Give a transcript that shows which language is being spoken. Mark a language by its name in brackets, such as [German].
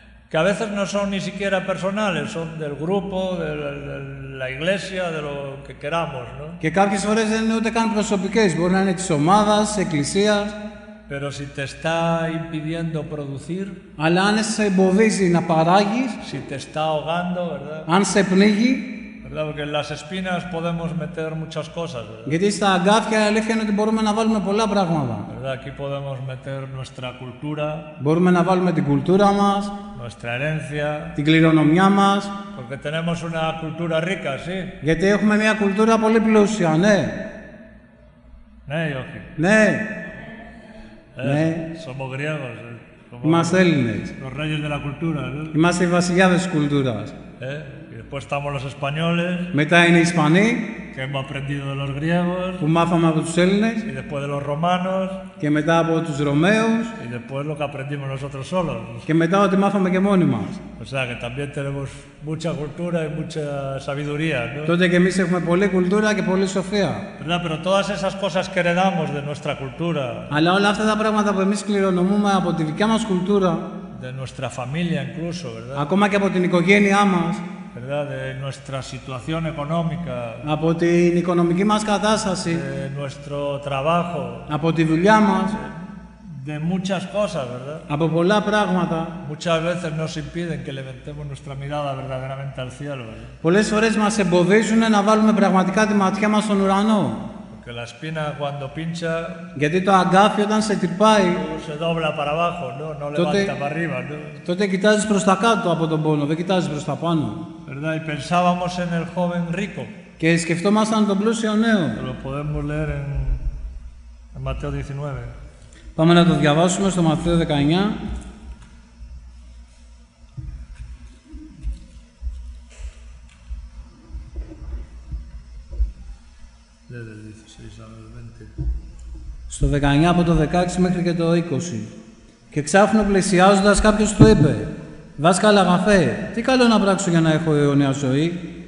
[Spanish] Que a veces no son ni siquiera personales, son del grupo, de la iglesia, de lo que queramos, ¿no? [Greek] Και κάποιες φορές δεν είναι ούτε καν προσωπικές, μπορεί να είναι της ομάδας, εκκλησίας. [Spanish] Pero si te está impidiendo producir. [Greek] Αλλά αν σε εμποδίζει να παράγεις. [Spanish] Si te está ahogando, ¿verdad? [Greek] Αν σε πνίγει. [Spanish] ¿Verdad? Porque en las espinas podemos meter muchas cosas. ¿Verdad? [Greek] Γιατί στα αγκάθια η αλήθεια είναι ότι μπορούμε να βάλουμε πολλά πράγματα. [Spanish] ¿Verdad? Aquí podemos meter nuestra cultura. [Greek] Μπορούμε να βάλουμε την κουλτούρα μας. [Spanish] Nuestra herencia. [Greek] Την κληρονομιά μας. [Spanish] Porque tenemos una cultura rica, sí. [Greek] Γιατί έχουμε μια κουλτούρα πολύ πλούσια, ναι. Ναι ή όχι. Ναι. [Spanish] Ναι. Somos griegos. [Greek] Είμαστε Έλληνες. [Spanish] Los reyes de la cultura, ¿no? [Greek] Είμαστε οι βασιλιάδες της κουλτούρας. [Spanish] Y después estamos los españoles. [Greek] Μετά είναι οι Ισπανοί. [Spanish] Que hemos aprendido de los griegos. [Greek] Που μάθαμε από τους Έλληνες. [Spanish] Y después de los romanos. [Greek] Και μετά από τους Ρωμαίους. [Spanish] Y después lo que aprendimos nosotros solos. [Greek] Και μετά ότι μάθαμε και μόνοι μας. [Spanish] O sea, que también tenemos mucha cultura y mucha sabiduría, ¿no? [Greek] Τότε και εμείς έχουμε πολλή κουλτούρα και πολλή σοφία. [Spanish] Pero, todas esas cosas que heredamos de nuestra cultura. [Greek] Αλλά όλα αυτά τα πράγματα που εμείς κληρονομούμε από τη δικιά μας κουλτούρα. [Spanish] De nuestra familia incluso, ¿verdad? [Greek] Ακόμα και από την οικογένειά μας. [Spanish] ¿Verdad? De nuestra situación económica. [Greek] Από την οικονομική μας κατάσταση. [Spanish] De nuestro trabajo. [Greek] Από τη δουλειά μας. [Spanish] De muchas cosas, ¿verdad? [Greek] Από πολλά πράγματα. [Spanish] Muchas veces nos impiden que levantemos nuestra mirada verdaderamente al cielo, ¿verdad? [Greek] Πολλές φορές μας εμποδίζουν να βάλουμε πραγματικά τη ματιά μας στον ουρανό. [Spanish] Porque la espina cuando pincha. [Greek] Γιατί το αγκάθι όταν σε τρυπάει. [Spanish] Se dobla para abajo, ¿no? No τότε, levanta para arriba, ¿no? [Greek] Τότε κοιτάζεις προς τα κάτω από τον πόνο, δεν κοιτάζεις προς τα πάνω. [Spanish] ¿Verdad? Y pensábamos en el joven rico. [Greek] Και σκεφτόμασταν τον πλούσιο νέο. [Spanish] Lo podemos leer en Mateo 19. [Greek] Πάμε να το διαβάσουμε στο Ματθαίο 19. Στο 19 από το 16 μέχρι και το 20. Και ξάφνου πλησιάζοντας κάποιος του είπε, «Δάσκαλε αγαθέ, τι καλό να πράξω για να έχω αιώνια ζωή?»